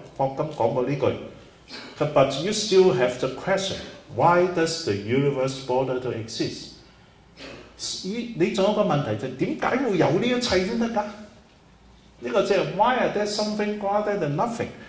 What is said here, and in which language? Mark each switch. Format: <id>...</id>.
<yue>霍金講過呢句</yue> <en>，But you still have the question: Why does the universe bother to exist？</en> <yue>你仲有一個問題就係點解會有呢一切先得㗎？呢個即係</yue> <en>Why are there something rather than nothing？</en>